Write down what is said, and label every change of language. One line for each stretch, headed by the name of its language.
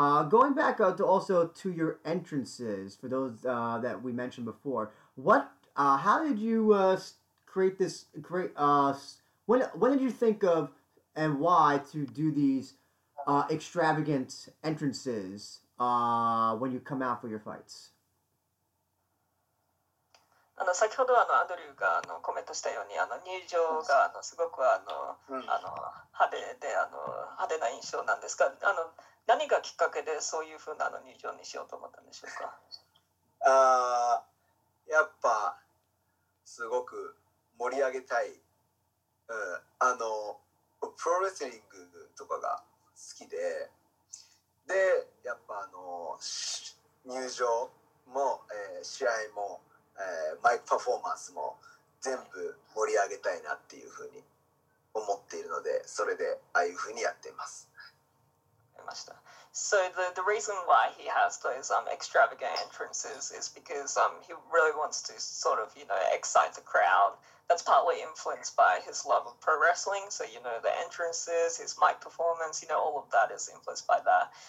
English: Going back to your entrances, for those that we mentioned before, when did you think of and why to do these extravagant entrances when you come out for your fights?
Japanese: 先ほどアドリューがコメントしたように、入場がすごく派手で派手な印象なんですが、何がきっかけでそういうふうな入場にしようと思ったんでしょうか？やっぱすごく盛り上げたい、プロレスリングとかが好きで、でやっぱ入場も、試合も、マイクパフォーマンスも全部盛り上げたいなっていうふうに思っているので、それでああいうふうにやっています。
English: So the reason why he has those extravagant entrances is because he really wants to sort of, you know, excite the crowd. That's partly influenced by his love of pro wrestling. So, you know, the entrances, his mic performance, you know, all of that is influenced by that.